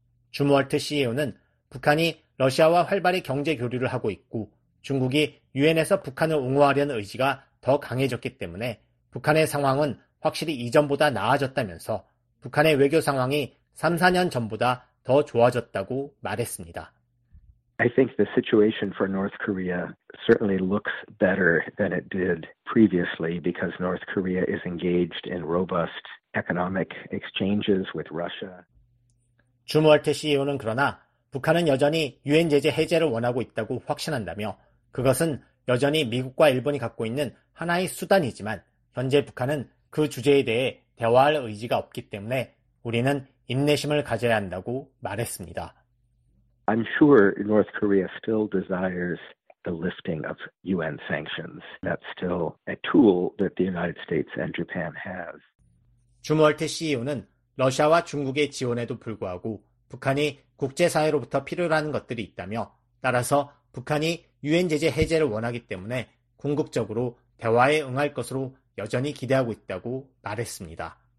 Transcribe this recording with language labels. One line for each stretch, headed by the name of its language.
Korean: 줌월트 CEO는 북한이 러시아와 활발히 경제 교류를 하고 있고 중국이 유엔에서 북한을 옹호하려는 의지가 더 강해졌기 때문에 북한의 상황은 확실히 이전보다 나아졌다면서 북한의 외교 상황이 3, 4년 전보다 더 좋아졌다고 말했습니다.
English: I think the situation for North Korea certainly looks better than it did previously because North Korea is engaged in robust economic exchanges with Russia.
Korean: 줌월트 CEO는 그러나 북한은 여전히 유엔 제재 해제를 원하고 있다고 확신한다며 그것은 여전히 미국과 일본이 갖고 있는 하나의 수단이지만 현재 북한은 그 주제에 대해 대화할 의지가 없기 때문에 우리는 인내심을 가져야 한다고 말했습니다.
English: I'm sure North Korea still desires the lifting of UN sanctions. That's still a tool that the United States and Japan has.
Korean: 주무얼테 CEO는 러시아와 중국의 지원에도 불구하고 북한이 국제사회로부터 필요라는 것들이 있다며 따라서 북한이 유엔 제재 해제를 원하기 때문에 궁극적으로 대화에 응할 것으로 여전히 기대하고 있다고 말했습니다.